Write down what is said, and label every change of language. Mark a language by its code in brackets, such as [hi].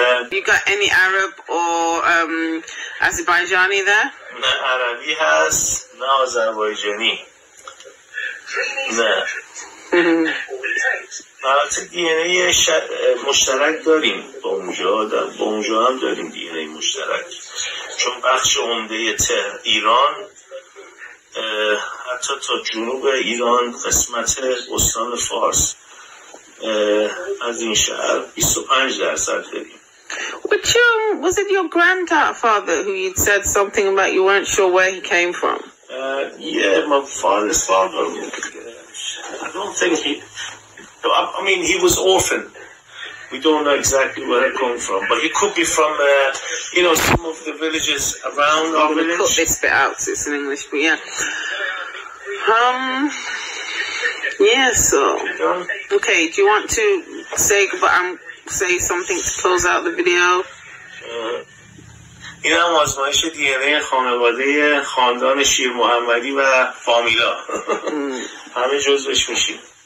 [en] You got any Arab or Azerbaijani there? [fa] نه عربی هست نه آذربایجانی. نه البته دی ان ای مشترک داریم با اونجا، با اونجا هم داریم دی ان ای مشترک، چون بخش عمده ایران حتی تا جنوب ایران قسمت استان فارس از این شهر 25% داریم. [en] Which was it your grandfather who you'd said something about you weren't sure where he came from? Yeah, my father's father. I don't think he... I mean, he was orphan. We don't know exactly where he came from. But he could be from, you know, some of the villages around our village. I'm going to cut this bit out so it's in English, but yeah. Yeah, so... Okay, do you want to say goodbye? Say something to close out the video. [fa] این هم آزمایش دی ان ای خانواده خاندان شیر محمدی و فامیلا. همه جزوش میشیم.